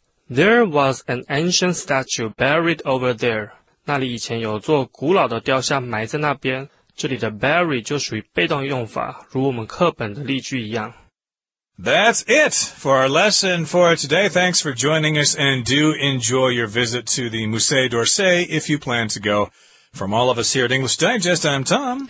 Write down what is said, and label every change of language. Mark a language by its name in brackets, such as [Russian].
[English] There was an ancient statue buried over there. [Chinese] 那里以前有座古老的雕像埋在那边。这里的 bury 就属于被动用法，如我们课本的例句一样。 [English] That's it for our lesson for today. Thanks for joining us and do enjoy your visit to the Musée d'Orsay if you plan to go. From all of us here at English Digest, I'm Tom.